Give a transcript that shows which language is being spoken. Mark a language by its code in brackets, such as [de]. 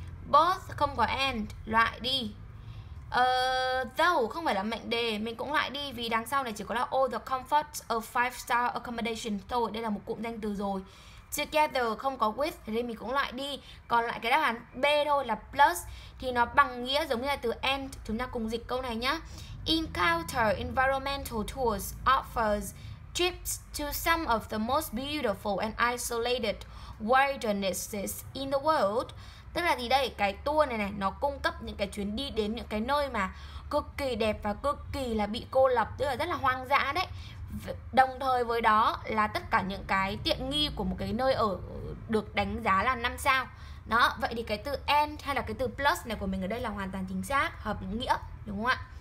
[vi] Both không có and, loại đi. Though không phải là mệnh đề, mình cũng loại đi vì đằng sau này chỉ có là [en] all the comforts of 5-star accommodation [vi] thôi. Đây là một cụm danh từ rồi. Together không có with thì mình cũng loại đi. Còn lại cái đáp án B thôi là plus, thì nó bằng nghĩa giống như là từ and. Chúng ta cùng dịch câu này nhá. [en] Encounter environmental tours offers trips to some of the most beautiful and isolated wildernesses in the world. [vi] Tức là gì đây? Cái tour này này, nó cung cấp những cái chuyến đi đến những cái nơi mà cực kỳ đẹp và cực kỳ là bị cô lập, tức là rất là hoang dã đấy. Đồng thời với đó là tất cả những cái tiện nghi của một cái nơi ở được đánh giá là 5 sao. Đó, vậy thì cái từ and hay là cái từ plus này của mình ở đây là hoàn toàn chính xác, hợp nghĩa, đúng không ạ?